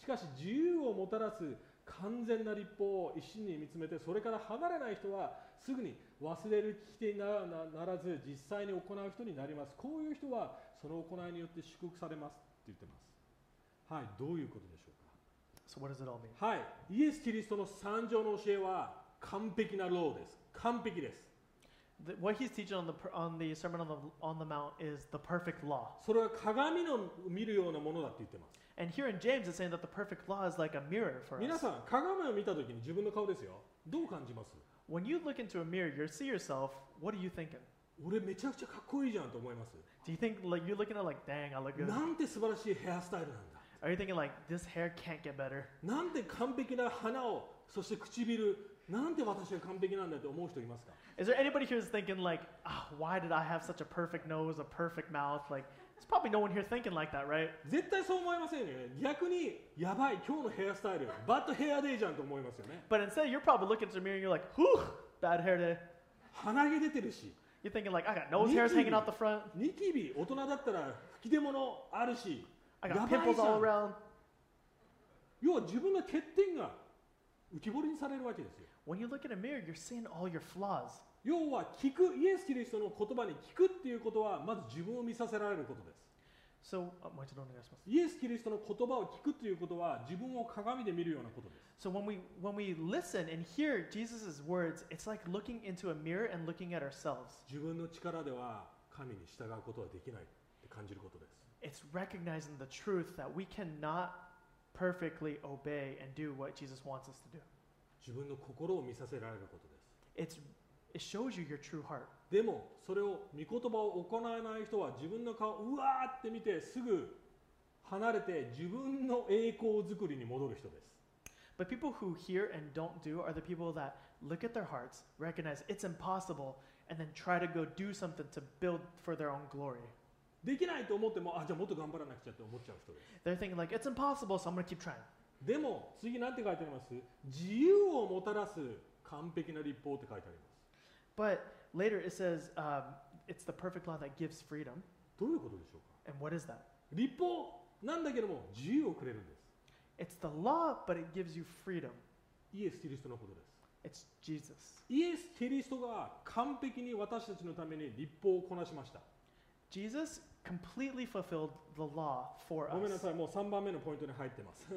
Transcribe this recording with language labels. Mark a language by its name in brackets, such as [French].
[Japanese] しかし自由をもたらす完全な律法を一心に見つめて、それから離れない人はすぐに忘れる聞き手にならず実際に行う人になります。こういう人はその行いによって祝福されますって言ってます。はい、どういうことでしょうか。 [English] So what does it all mean? [Japanese] はい、イエス・キリストの三条の教えは完璧なローです。完璧です。 [English] What he's teaching on the Sermon on the Mount is the perfect law. [Japanese] それは鏡の見るようなものだって言ってます。 [English] And here in James is saying that the perfect law is like a mirror for us. [Japanese] 皆さん、鏡を見たときに自分の顔ですよ。どう感じます? [English] When you look into a mirror, you see yourself, what are you thinking? [Japanese] 俺めちゃくちゃかっこいいじゃんと思います。 [English] Do you think, like, you're looking at like, dang, I look good. [Japanese] なんて素晴らしいヘアスタイルなんだ。 [English] Are you thinking like, this hair can't get better? [Japanese] なんて完璧な鼻を、そして唇、なんで私が完璧なんだって思う人いますか? [English] Is there anybody here who's thinking like, oh, why did I have such a perfect nose, a perfect mouth? Like, there's probably no one here thinking like that, right? [Japanese] 絶対そう思いませんよね。逆に、やばい、今日のヘアスタイル、 [English] bad hair day [Japanese] じゃんと思いますよね。 [English] But instead, you're probably looking in the mirror and you're like, whew, bad hair day. [Japanese] 鼻毛出てるし。 [English] You're thinking like, I got nose hairs hanging out the front. [Japanese] ニキビ、大人だったら吹き出物あるし。 I got pimples all around. 要は自分の欠点が浮き彫りにされるわけですよ。 [English] When you look in a mirror, you're seeing all your flaws. [Japanese] 要は聞く、イエス・キリストの言葉に聞くっていうことは、まず自分を見させられることです。 So, もう一度お願いします。イエス・キリストの言葉を聞くっていうことは、自分を鏡で見るようなことです。 [English] So, when we listen and hear Jesus' words, it's like looking into a mirror and looking at ourselves. [Japanese] 自分の力では神に従うことはできないって感じることです。 [English] It's recognizing the truth that we cannot perfectly obey and do what Jesus wants us to do. [Japanese] 自分の心を見させられることです。 [English] It shows you your true heart. [Japanese] でもそれを御言葉を行えない人は自分の顔をうわーって見てすぐ離れて自分の栄光作りに戻る人です。 [English] But people who hear and don't do are the people that look at their hearts, recognize it's impossible, and then try to go do something to build for their own glory. [Japanese] できないと思っても、あ、じゃあもっと頑張らなくちゃって思っちゃう人です。 [English] They're thinking like, it's impossible, so I'm gonna keep trying. [Japanese] でも次なんて書いてあります？自由をもたらす完璧な律法って書いてあります。 [English] But later it says, it's the perfect law that gives freedom. [Japanese] どういうことでしょうか? [English] And what is that? [Japanese] 律法なんだけども自由をくれるんです。 [English] It's the law, but it gives you freedom. [Japanese] イエス・キリストのことです。 [English] It's Jesus. [Japanese] イエス・キリストが完璧に私たちのために律法をこなしました。 [English] Jesus completely fulfilled the law for us. [Japanese] ごめんなさい、もう3番目のポイントに入ってます。